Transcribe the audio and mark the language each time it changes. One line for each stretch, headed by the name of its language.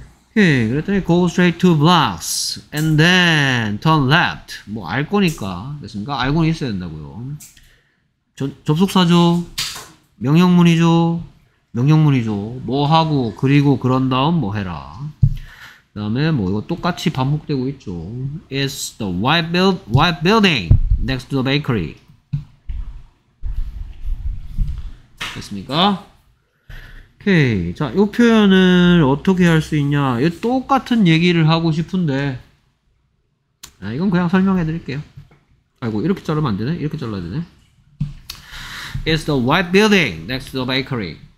Korean: 오케이. 그랬더니
English: go straight to blocks and then turn left.
Korean: 뭐 알 거니까 됐습니까? 알고는 있어야 된다고요. 접속사죠. 명령문이죠. 명령문이죠. 뭐 하고 그리고 그런 다음 뭐 해라. 그 다음에 뭐 이거 똑같이 반복되고 있죠.
English: It's the white, white building next to the bakery.
Korean: 됐습니까? 오케이. 자, 이 표현을 어떻게 할 수 있냐. 이 똑같은 얘기를 하고 싶은데 아, 이건 그냥 설명해 드릴게요. 아이고 이렇게 자르면 안 되네? 이렇게 잘라야 되네?
English: It's the white building next to the bakery.